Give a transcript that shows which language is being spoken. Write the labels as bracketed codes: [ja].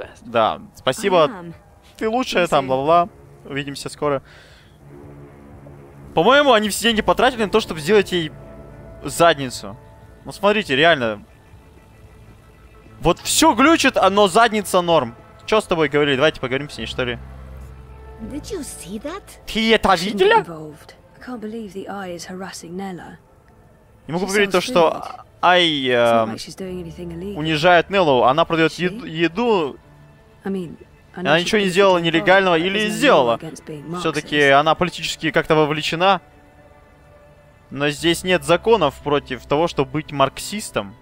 [ru] Да, спасибо. Ты лучшая там, бла-бла. Увидимся скоро. По-моему, они все деньги потратили на то, чтобы сделать ей задницу. Ну, смотрите, реально. Вот все глючит, но задница норм. Что с тобой говорили? Давайте поговорим с ней, что ли? [en] Did you see that? [ru] Ты это видела? [en] I can't believe the eye is harassing Nella. [ru] Не могу поверить то, что Ай унижает Неллу. Она продает еду. Она ничего не сделала нелегального или сделала. Все-таки она политически как-то вовлечена. Но здесь нет законов против того, чтобы быть марксистом.